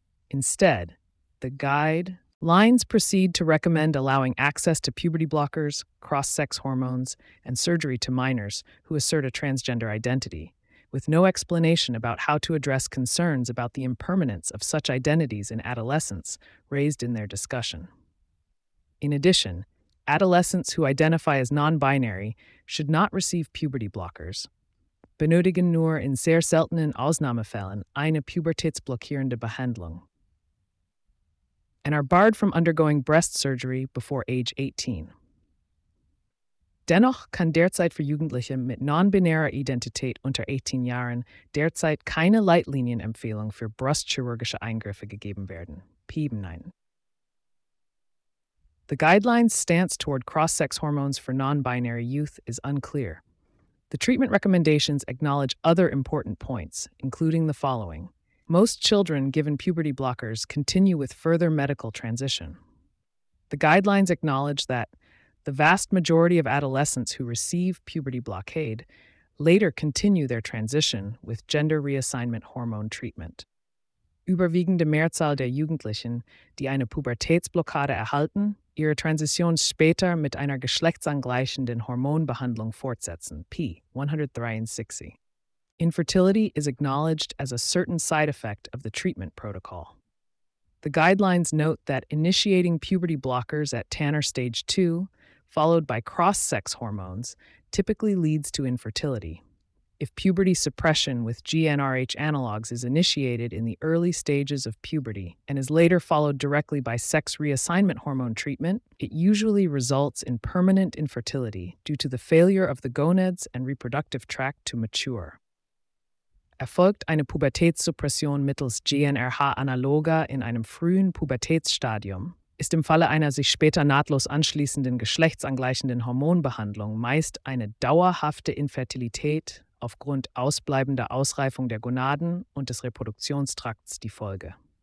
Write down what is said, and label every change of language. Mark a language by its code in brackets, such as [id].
[en] Instead, the guidelines proceed to recommend allowing access to puberty blockers, cross-sex hormones, and surgery to minors who assert a transgender identity, with no explanation about how to address concerns about the impermanence of such identities in adolescents raised in their discussion. In addition, adolescents who identify as non-binary should not receive puberty blockers. [de] Benötigen nur in sehr seltenen Ausnahmefällen eine pubertätsblockierende Behandlung. [en] And are barred from undergoing breast surgery before age 18. [de] Dennoch kann derzeit für Jugendliche mit non-binärer Identität unter 18 Jahren derzeit keine Leitlinienempfehlung für brustchirurgische Eingriffe gegeben werden. P9. [en] The guidelines' stance toward cross-sex hormones for non-binary youth is unclear. The treatment recommendations acknowledge other important points, including the following. Most children given puberty blockers continue with further medical transition. The guidelines acknowledge that the vast majority of adolescents who receive puberty blockade later continue their transition with gender reassignment hormone treatment. [de] Überwiegende Mehrzahl der Jugendlichen, die eine Pubertätsblockade erhalten, ihre Transition später mit einer geschlechtsangleichenden Hormonbehandlung fortsetzen, P. 163. [en] infertility is acknowledged as a certain side effect of the treatment protocol. The guidelines note that initiating puberty blockers at Tanner stage 2, followed by cross-sex hormones, typically leads to infertility. If puberty suppression with GnRH analogs is initiated in the early stages of puberty and is later followed directly by sex reassignment hormone treatment, it usually results in permanent infertility due to the failure of the gonads and reproductive tract to mature. [de] Erfolgt eine Pubertätssuppression mittels GnRH analoga in einem frühen Pubertätsstadium, ist im Falle einer sich später nahtlos anschließenden geschlechtsangleichenden Hormonbehandlung meist eine dauerhafte Infertilität aufgrund ausbleibender Ausreifung der Gonaden und des Reproduktionstrakts die Folge.